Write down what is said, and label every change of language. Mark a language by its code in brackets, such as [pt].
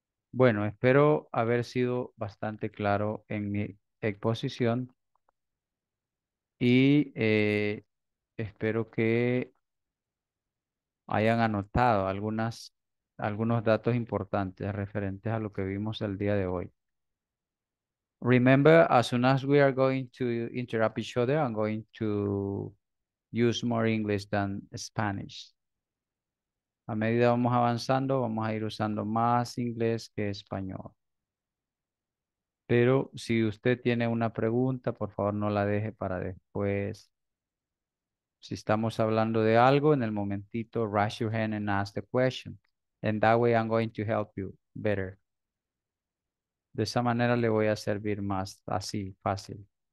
[es] Bueno, espero haber sido bastante claro en mi exposición y espero que hayan anotado algunos datos importantes referentes a lo que vimos el día de hoy. [en] Remember, as soon as we are going to interrupt each other, I'm going to use more English than Spanish. [es] A medida vamos avanzando, vamos a ir usando más inglés que español. Pero si usted tiene una pregunta, por favor no la deje para después. Si estamos hablando de algo, en el momentito, [en] raise your hand and ask the question. And that way I'm going to help you better. [es] De esa manera le voy a servir más así, fácil.